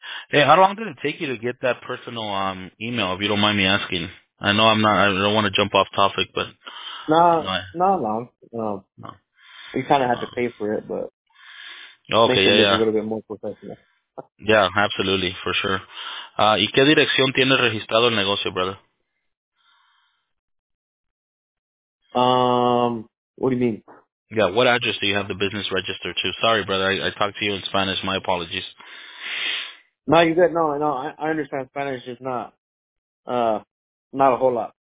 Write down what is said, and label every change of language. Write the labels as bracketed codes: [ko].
[en] Hey, how long did it take you to get that personal email, if you don't mind me asking? I know I don't want to jump off topic, but... Not long. No. You kind of had to pay for it, but... Okay, yeah, yeah. A little bit more professional. Yeah, absolutely, for sure. [es] ¿Y qué dirección tiene registrado el negocio, brother? [en] What do you mean? Yeah, what address do you have the business registered to? Sorry, brother, I talked to you in Spanish. My apologies. No, you're good. No, I understand Spanish. It's not a whole lot.